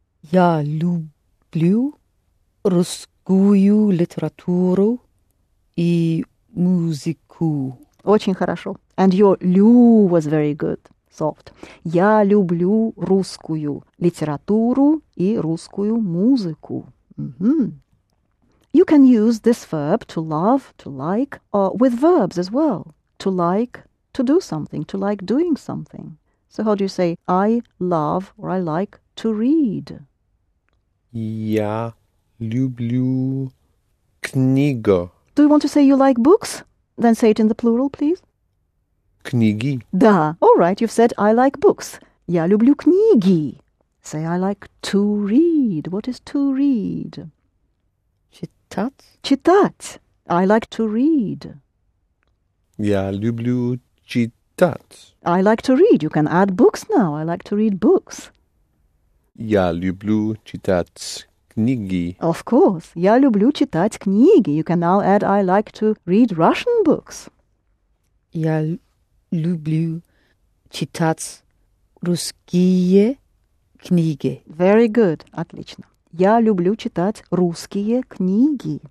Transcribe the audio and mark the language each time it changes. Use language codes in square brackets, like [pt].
[ru] Я люблю русскую литературу и музыку. Очень хорошо. [en] And your лю was very good, soft. [ru] Я люблю русскую литературу и русскую музыку. [en] Mm-hmm. You can use this verb to love, to like, with verbs as well. To like, to do something, to like doing something. So how do you say I love or I like to read? [ru] Я люблю книгу. [en] Do you want to say you like books? Then say it in the plural, please. [ru] Книги. [en] Да. All right, you've said I like books. [ru] Я люблю книги. [en] Say I like to read. What is to read? [ru] Читать. [en] Читать. I like to read. [ru] Я люблю читать. [en] I like to read. You can add books now. I like to read books. [ru] Я люблю читать книги. [en] Of course. [ru] Я люблю читать книги. [en] You can now add I like to read Russian books. [ru] Я люблю читать русские книги. [en] Very good. Отлично. [ru] Я люблю читать русские книги.